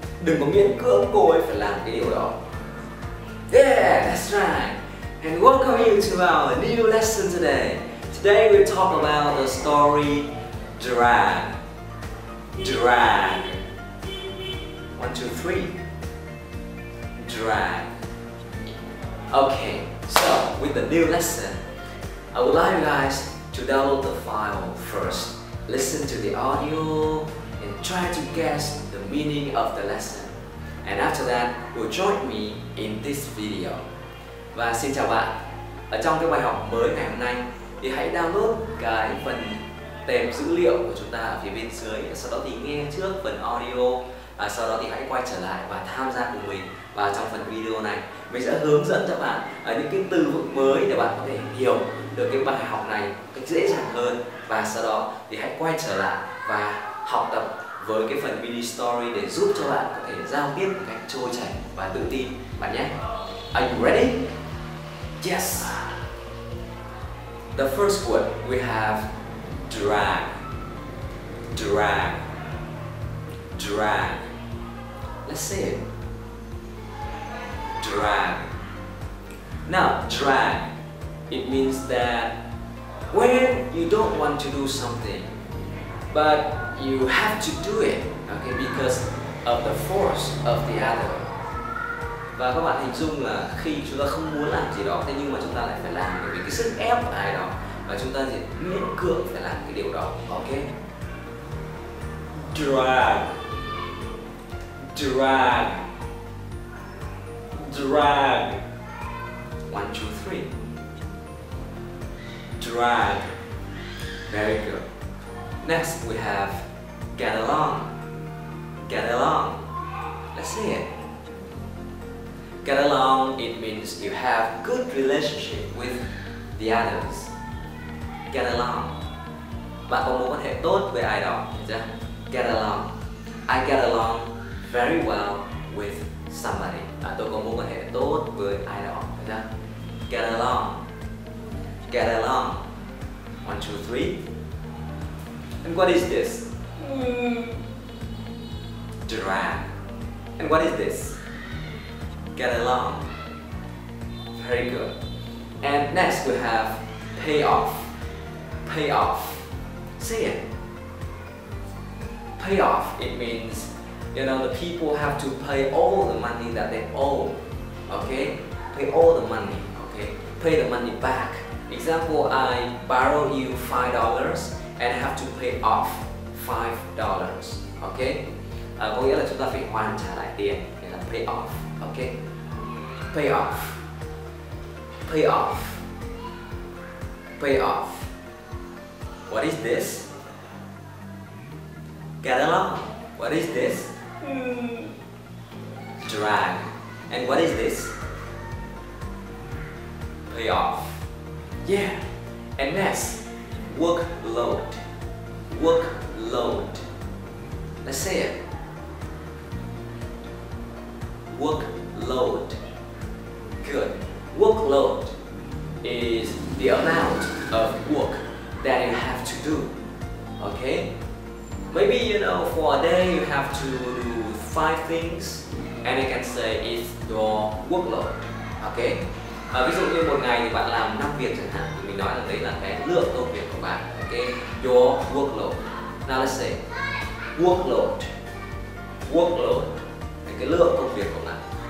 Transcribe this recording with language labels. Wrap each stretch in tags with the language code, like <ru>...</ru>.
<vi>Đừng có miễn cưỡng cô ấy phải làm cái điều đó.</vi> <en>Yeah, that's right. And welcome you to our new lesson today. Today we'll talk about the story drag. Drag. 1, 2, 3. Drag. Okay, so with the new lesson, I would like you guys to download the file first. Listen to the audio and try to guess the meaning of the lesson. And after that, you'll join me in this video.</en> <vi>Và xin chào bạn. Ở trong cái bài học mới ngày hôm nay thì hãy download cái phần tem dữ liệu của chúng ta ở phía bên dưới. Sau đó thì nghe trước phần audio và sau đó thì hãy quay trở lại và tham gia cùng mình. Và trong phần video này, mình sẽ hướng dẫn cho bạn những cái từ vựng mới để bạn có thể hiểu được cái bài học này dễ dàng hơn. Và sau đó thì hãy quay trở lại và học tập với cái phần mini story để giúp cho bạn có thể giao tiếp một cách trôi chảy và tự tin bạn nhé.</vi> <en>Are you ready? Yes! The first word we have drag. Drag. Drag. Let's say it. Drag. Now, drag, it means that when you don't want to do something, but you have to do it, okay, because of the force of the other.</en> <vi>Và các bạn hình dung là khi chúng ta không muốn làm gì đó, thế nhưng mà chúng ta lại phải làm vì cái sức ép của ai đó, và chúng ta thì miễn cưỡng phải làm cái điều đó, okay?</vi> <en>Drag. Drag. Drag. 1, 2, 3. Drag. Very good. Next we have get along. Get along. Let's see it. Get along, it means you have good relationship with the others. Get along.</en> <vi>Bạn có mối quan hệ tốt với ai đó, hiểu chưa? Get along.</vi> <en>I get along very well with somebody.</en> <vi>Tôi có mối quan hệ tốt với ai đó, hiểu chưa?</vi> <en>Get along. Get along. 1, 2, 3. And what is this? Drag. And what is this? Get along. Very good. And next we have pay off. Pay off. Say it. Pay off. It means, you know, the people have to pay all the money that they owe. Okay? Pay all the money. Okay? Pay the money back. Example, I borrow you $5 and have to pay off $5. Okay?</en> <vi>Có nghĩa là chúng ta phải hoàn trả lại tiền, nghĩa là pay off.</vi> <en>Okay? Pay off. Pay off. Pay off. What is this? Get along. What is this? Drag. And what is this? Pay off. Yeah, and next, workload. Workload. Let's say it. Workload. Good. Workload is the amount of work that you have to do. Okay? Maybe, you know, for a day you have to do 5 things, and you can say it's your workload. Okay?</en> <vi>Ví dụ như một ngày thì bạn làm 5 việc chẳng hạn, thì mình nói là đấy là cái lượng công việc của bạn.</vi> <en>Okay? Your workload. Now let's say workload. Workload.</en> <vi>Thì cái lượng công việc của bạn.</vi>